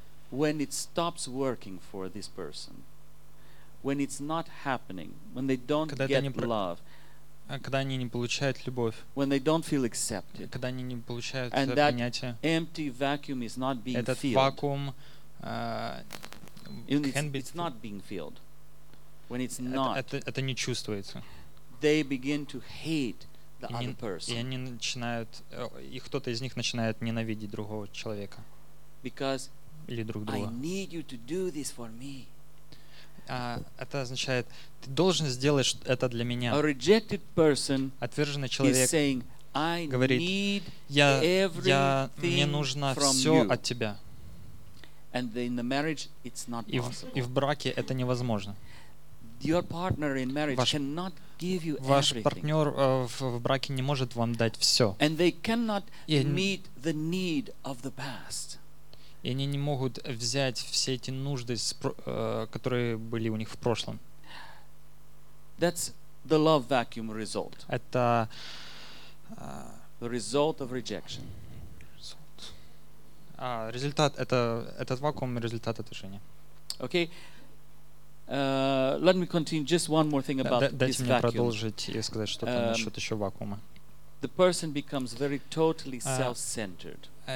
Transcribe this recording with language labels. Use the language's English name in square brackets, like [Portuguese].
[Russian] когда это перестает работать для этого человека. [English] When it's not happening, when they don't [Russian] когда [English] get love, [Russian] когда они не получают любовь, [English] when they don't feel accepted, [Russian] когда они не получают [English] and [Russian] принятие, [English] that empty vacuum is not being [Russian] этот [English] filled. [Russian] Вакуум [English] it's not being filled. When it's not, [Russian] это не чувствуется. [English] They begin to hate the other person. [Russian] И они начинают, и кто-то из них начинает ненавидеть другого человека. [English] Because [Russian] или друг друга. [English] I need you to do this for me. [Russian] Это означает, ты должен сделать это для меня. [English] A rejected person [Russian] отверженный человек [English] is saying, I [Russian] говорит, [English] need [Russian] я, [English] everything [Russian] мне нужно [English] from [Russian] все [English] you. [Russian] От тебя. [English] And in the marriage, it's not [Russian] и, [English] possible. [Russian] И в браке это невозможно. [English] Your partner in marriage cannot give you everything. [Russian] Ваш партнер в браке не может вам дать все. [English] And they cannot meet the need of the past. [Russian] И они не могут взять все эти нужды, которые были у них в прошлом. [English] That's the love vacuum result. [Russian] Это [English] the result of rejection. [Russian] Результат этот вакуум результат отвержения. [English] Okay. Let me continue just one more thing about this vacuum. [Russian] Дайте мне продолжить и сказать что-то насчет еще вакуума. [English] The person becomes very totally self-centered.